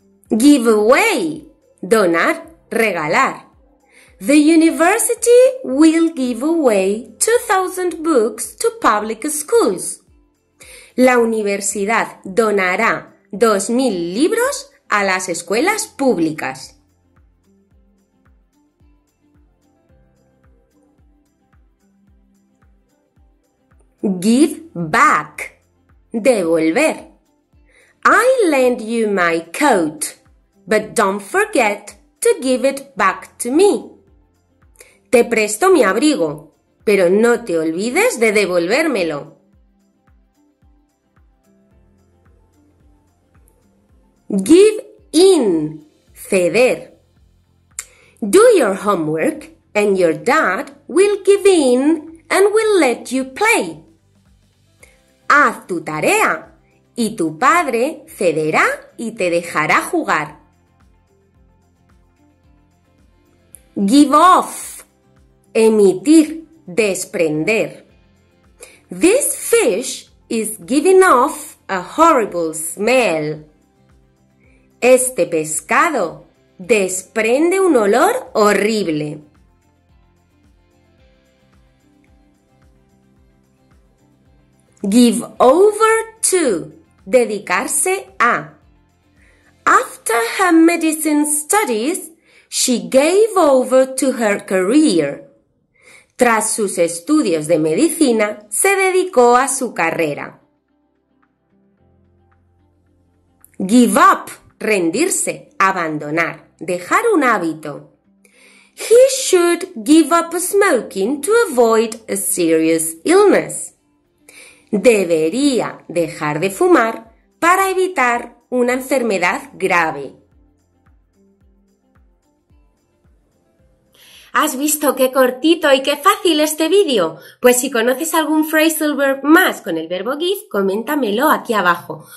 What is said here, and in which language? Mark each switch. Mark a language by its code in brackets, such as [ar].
[en] Give away. [es] Donar, regalar. [en] The university will give away 2,000 books to public schools. [es] La universidad donará 2,000 libros a las escuelas públicas. [en] Give back. [es] Devolver. [en] I lend you my coat, but don't forget to give it back to me. [es] Te presto mi abrigo, pero no te olvides de devolvérmelo. [en] Give in, [es] ceder. [en] Do your homework and your dad will give in and will let you play. [es] Haz tu tarea y tu padre cederá y te dejará jugar. [en] Give off. [es] Emitir, desprender. [en] This fish is giving off a horrible smell. [es] Este pescado desprende un olor horrible. [en] Give over to, [es] dedicarse a. [en] After her medicine studies, she gave over to her career. [es] Tras sus estudios de medicina, se dedicó a su carrera. [en] Give up, [es] rendirse, abandonar, dejar un hábito. [en] He should give up smoking to avoid a serious illness. [es] Debería dejar de fumar para evitar una enfermedad grave. ¿Has visto qué cortito y qué fácil este vídeo? Pues si conoces algún phrasal verb más con el verbo give, coméntamelo aquí abajo.